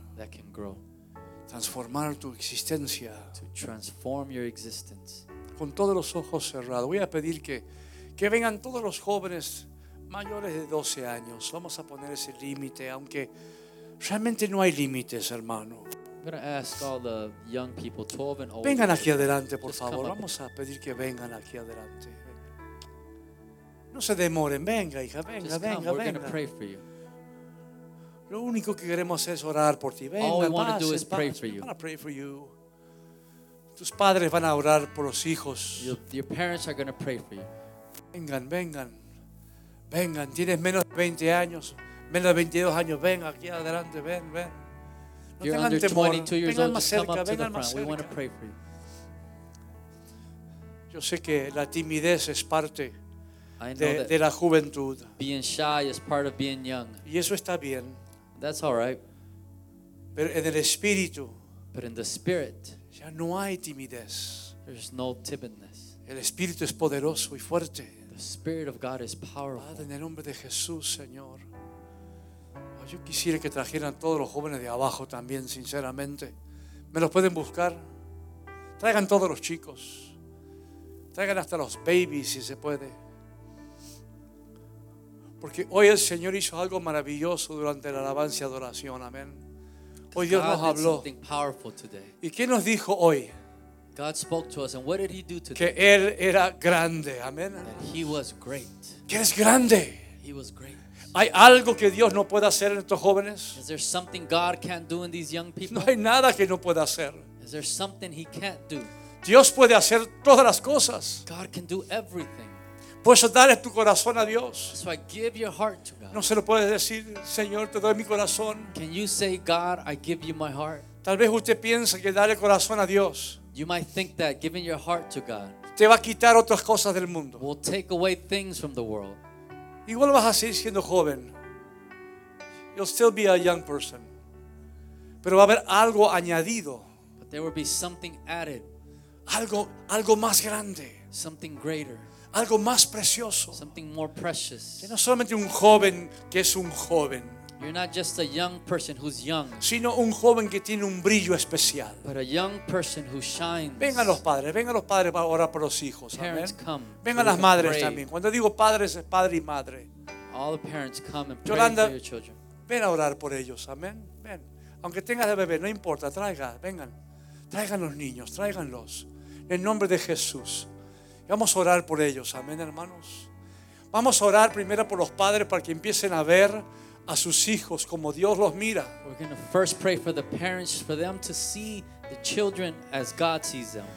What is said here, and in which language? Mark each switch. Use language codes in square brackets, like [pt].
[en] That can grow. [es] Transformar tu existencia. [en] To transform your existence. [es] Con todos los ojos cerrados. Voy a pedir que vengan todos los jóvenes mayores de 12 años. Vamos a poner ese límite, aunque realmente no hay límites, hermano. [en] I'm going to ask all the young people, 12 and older. [es] Vengan aquí adelante, por favor. Vamos a pedir que vengan aquí adelante. No se demoren. Venga, hija, venga, venga, venga. [en] We're going to pray for you. [es] Lo único que queremos es orar por ti. Venga, [en] all we want to do is pray for you. We're going to pray for you. [es] Tus padres van a orar por los hijos. [en] Your parents are going to pray for you. Thank you. [es] Vengan, vengan. Vengan, tienes menos de 20 años, menos de 22 años, ven aquí adelante, ven, ven. [en] No you're under 22 years old, just come up to the front. We want to pray for you. [es] Yo sé que la timidez es parte de la juventud. [en] Being shy is part of being young. [es] Y eso está bien. [en] That's all right. [es] Pero en el espíritu, [en] but in the spirit, [es] ya no hay timidez. [en] There's no timidness. [es] El espíritu es poderoso y fuerte. [en] The spirit of God is powerful. [es] Padre, en el nombre de Jesús, Señor. Yo quisiera que trajeran todos los jóvenes de abajo también, sinceramente. ¿Me los pueden buscar? Traigan todos los chicos. Traigan hasta los babies, si se puede. Porque hoy el Señor hizo algo maravilloso durante la alabanza y adoración. Amén. Hoy Dios nos habló. ¿Y qué nos dijo hoy? [en] God spoke to us, and what did he do today? [es] Que él era grande. Amén. [en] He was great. [es] Que es grande. [en] He was great. [es] ¿Hay algo que Dios no pueda hacer en estos jóvenes? [en] Is there something God can't do in these young people? [es] No hay nada que no pueda hacer. [en] Is there something he can't do? [es] Dios puede hacer todas las cosas. [en] God can do everything. [es] Puedes darle tu corazón a Dios. [en] So I give your heart to God. [es] No se lo puedes decir, Señor, te doy mi corazón. [en] Can you say, God, I give you my heart? [es] Tal vez usted piensa que darle corazón a Dios, [en] you might think that giving your heart to God, [es] te va a quitar otras cosas del mundo. [en] Will take away things from the world. [es] Igual vas a seguir siendo joven. [en] You'll still be a young person. [es] Pero va a haber algo añadido. [en] But there will be something added. [es] Algo más grande. [en] Something greater. [es] Algo más precioso. [en] Something more precious. [es] Que no solamente un joven que es un joven. [en] You're not just a young person who's young. [es] Sino un joven que tiene un brillo especial. [en] But a young person who shines. [es] Vengan los padres para orar por los hijos. [en] Parents, come. [es] Vengan las madres también. Cuando digo padres es padre y madre. [en] All the parents come and pray Yolanda, for your children. [es] Ven a orar por ellos. Amén. Ven. Aunque tengas de bebé, no importa. Traiga. Vengan. Traigan los niños. Tráiganlos. En el nombre de Jesús. Vamos a orar por ellos. Amén, hermanos. Vamos a orar primero por los padres para que empiecen a ver a sus hijos como Dios los mira. [en] We're going to first pray for the parents, for them to see the children as God sees them.